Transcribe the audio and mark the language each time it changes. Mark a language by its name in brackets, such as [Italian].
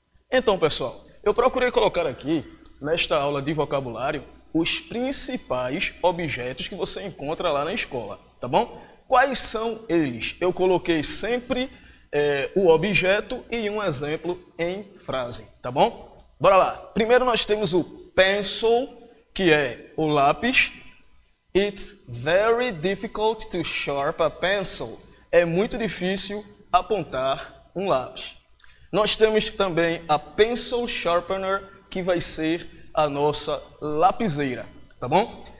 [Portuguese] Então, pessoal, eu procurei colocar aqui, nesta aula de vocabulário, os principais objetos que você encontra lá na escola, tá bom? Quais são eles? Eu coloquei sempre o objeto e um exemplo em frase, tá bom? Bora lá! Primeiro nós temos o pencil, que é o lápis. [English] It's very difficult to sharpen a pencil. [Portuguese] É muito difícil apontar um lápis. Nós temos também a pencil sharpener, que vai ser a nossa lapiseira, tá bom?